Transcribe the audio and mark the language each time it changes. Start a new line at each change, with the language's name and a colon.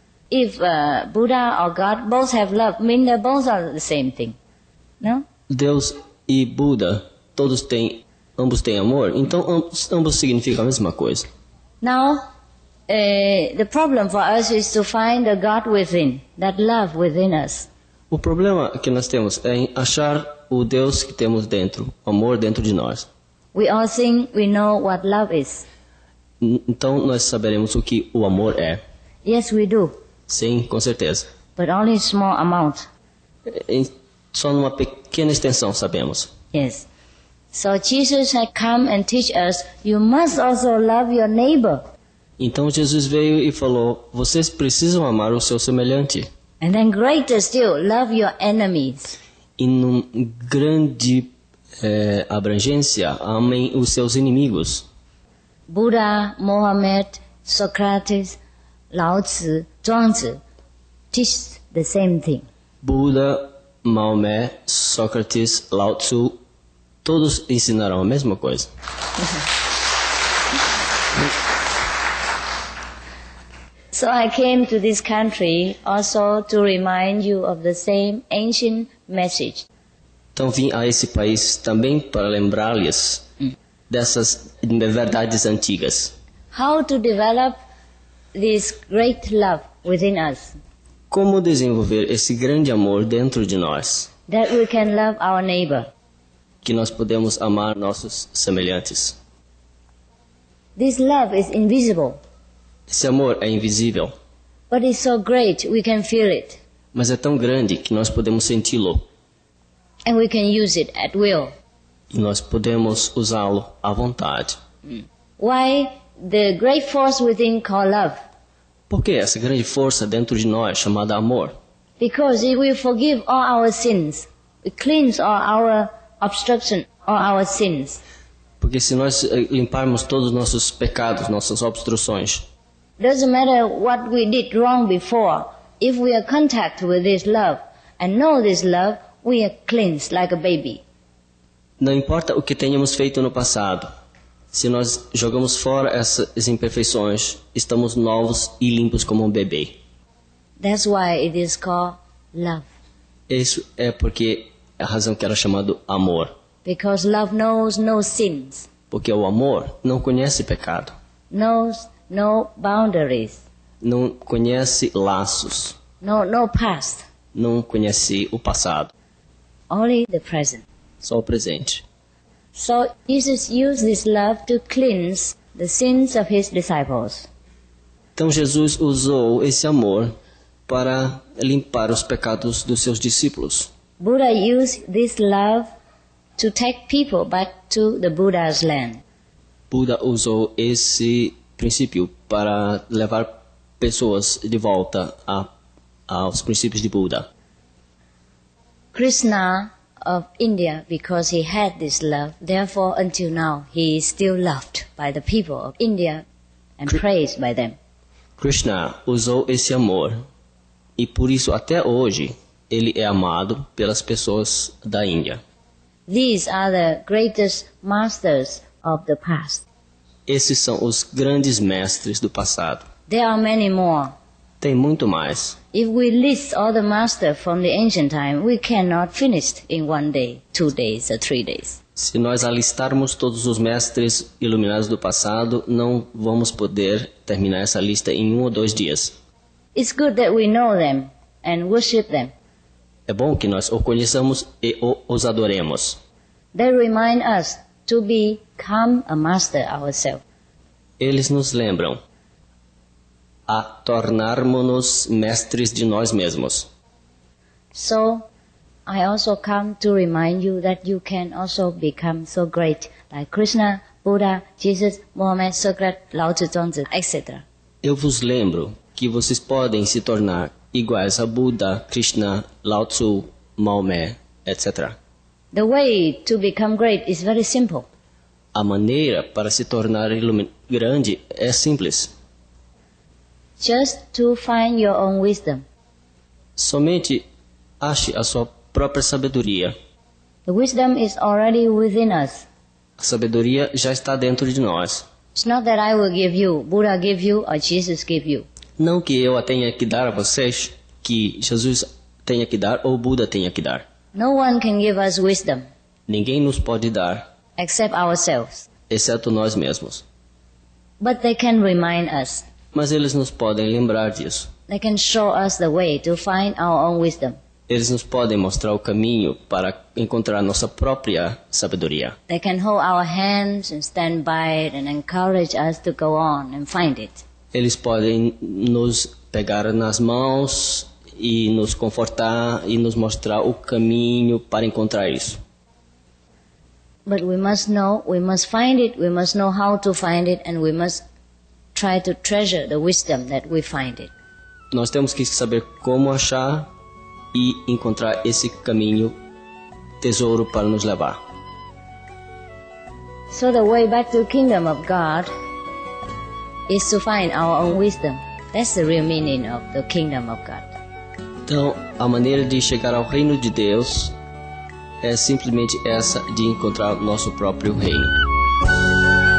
English: If Buddha or God both have love, mean they both are the same thing. No?
Portuguese: Deus e Buda, todos têm, ambos têm amor, então ambos significam a mesma coisa.
English: Now, the problem for us is to find the God within, that love within us.
Portuguese: O problema que nós temos é em achar o Deus que temos dentro, o amor dentro de nós.
English: We all think we know what love is.
Portuguese: Então nós saberemos o que o amor é.
English: Yes, we do.
Portuguese: Sim, com certeza.
English: But only small amount.
Portuguese: Só numa pequena extensão sabemos.
English: Yes. So Jesus had come and teach us, you must also love your neighbor.
Portuguese: Então Jesus veio e falou, vocês precisam amar o seu semelhante.
English: And then greater still, love your enemies.
Portuguese: E num grande abrangência, amem os seus inimigos.
English: Buda, Mohammed, Socrates, Lao Tzu, Zhuangzi, teach the same thing.
Portuguese: Buda, Maomé, Sócrates, Lao Tzu, todos ensinarão a mesma coisa.
English: So I came to this country also to remind you of the same ancient message.
Portuguese: Então vim a esse país também para lembrar-lhes dessas verdades antigas.
English: How to develop this great love within us.
Portuguese: Como desenvolver esse grande amor dentro de nós?
English: That we can love our neighbor.
Portuguese: Que nós podemos amar nossos semelhantes.
English: This love is invisible.
Portuguese: Esse amor é invisível.
English: But it's so great, we can feel it.
Portuguese: Mas é tão grande que nós podemos senti-lo.
English: And we can use it at will.
Portuguese: E nós podemos usá-lo à vontade.
English: Why the great force within called love?
Portuguese: Por que essa grande força dentro de nós chamada amor?
English: Because it will forgive all our sins. It cleans all our obstruction, all our sins.
Portuguese: Porque se nós limparmos todos os nossos pecados, nossas obstruções.
English: Doesn't matter what we did wrong before. If we are in contact with this love and know this love, we are cleansed like a baby.
Portuguese: Não importa o que tenhamos feito no passado. Se nós jogamos fora essas imperfeições, estamos novos e limpos como um bebê.
English: That's why it is called love.
Portuguese: Isso é porque a razão que era chamado amor.
English: Because love knows no sins.
Portuguese: Porque o amor não conhece pecado.
English: Knows no boundaries.
Portuguese: Não conhece laços.
English: No past.
Portuguese: Não conhece o passado.
English: Only the present.
Portuguese: Só o presente.
English: So Jesus used this love to cleanse the sins of his disciples.
Portuguese: Então Jesus usou esse amor para limpar os pecados dos seus discípulos.
English: Buddha used this love to take people back to the Buddha's land.
Portuguese: Buda usou esse princípio para levar pessoas de volta aos princípios de Buda.
English: Krishna of India, because he had this love, therefore until now he is still loved by the people of India and praised by them.
Portuguese: Krishna usou esse amor e por isso até hoje ele é amado pelas pessoas da Índia.
English: These are the greatest masters of the past.
Portuguese: Esses são os grandes mestres do passado.
English: There are many more.
Portuguese: Tem muito mais.
English: If we list all the masters from the ancient time, we cannot finish in one day, 2 days, or 3 days.
Portuguese: Se nós alistarmos todos os mestres iluminados do passado, não vamos poder terminar essa lista em 1 ou 2 dias.
English: It's good that we know them and worship them.
Portuguese: É bom que nós o conheçamos e os adoremos.
English: They remind us to become a master ourselves.
Portuguese: Eles nos lembram a tornarmos-nos mestres de nós mesmos.
English: So, I also come to remind you that you can also become so great like Krishna, Buddha, Jesus, Mohammed, Socrates, Lao Tzu, Zhuangzi, etc.
Portuguese: Eu vos lembro que vocês podem se tornar iguais a Buda, Krishna, Lao Tzu, Maomé, etc.
English: The way to become great is very simple.
Portuguese: A maneira para se tornar grande é simples.
English: Just to find your own wisdom.
Portuguese: Somente ache a sua própria sabedoria.
English: The wisdom is already within us.
Portuguese: A sabedoria já está dentro de nós.
English: It's not that I will give you, Buddha give you, or Jesus give you.
Portuguese: Não que eu a tenha que dar a vocês, que Jesus tenha que dar ou Buda tenha que dar.
English: No one can give us wisdom.
Portuguese: Ninguém nos pode dar.
English: Except ourselves.
Portuguese: Exceto nós mesmos.
English: But they can remind us.
Portuguese: Mas eles nos podem lembrar disso.
English: They can show us the way to find our own wisdom.
Portuguese: Eles nos podem mostrar o caminho para encontrar nossa própria sabedoria.
English: They can hold our hands and stand by it and encourage us to go on and find it.
Portuguese: Eles podem nos pegar nas mãos e nos confortar e nos mostrar o caminho para encontrar isso.
English: But we must know, we must find it, we must know how to find it, and we must try to treasure the wisdom that we find it.
Portuguese: Nós temos que saber como achar e encontrar esse caminho, tesouro para nos levar.
English: So the way back to the kingdom of God is to find our own wisdom. That's the real meaning of the kingdom of God.
Portuguese: Então, a maneira de chegar ao reino de Deus é simplesmente essa, de encontrar nosso próprio reino.